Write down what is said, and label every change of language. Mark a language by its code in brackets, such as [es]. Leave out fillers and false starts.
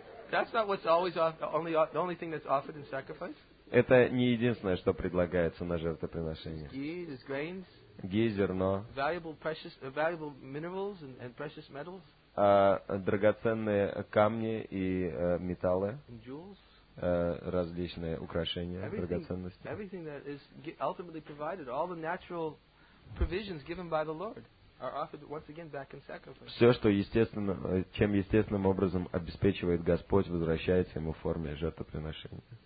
[en] That's not what's always the only thing that's offered in sacrifice. [ru] Это не единственное, что предлагается на жертвоприношение. [en] Ghee, grains. [ru] Ghee, зерно. [en] Valuable precious, valuable minerals and precious metals. [ru] Драгоценные камни и металлы. [en] And jewels. [ru] Различные украшения, драгоценности. [en] Everything that is ultimately provided, all the natural provisions given by the Lord are offered once again back in sacrifice. [ru] Все, что естественно, чем естественным образом обеспечивает Господь, возвращается ему в форме жертвоприношения.